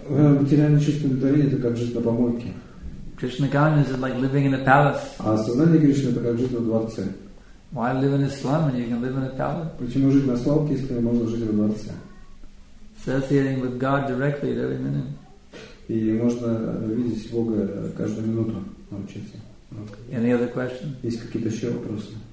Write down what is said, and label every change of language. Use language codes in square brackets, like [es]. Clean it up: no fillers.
[ru] Материальное чувство удовлетворения это как жить на помойке. [en] Krishna consciousness is like living in a palace. [ru] А сознание Кришны это как жить на дворце. [en] Why live in a slum when you can live in a palace? [ru] Почему жить на свалке, если можно жить в дворце? [en] Associating with God directly at every minute. [ru] И можно видеть Бога каждую минуту научиться. [en] Okay. Any other questions? [ru] Есть какие-то еще вопросы?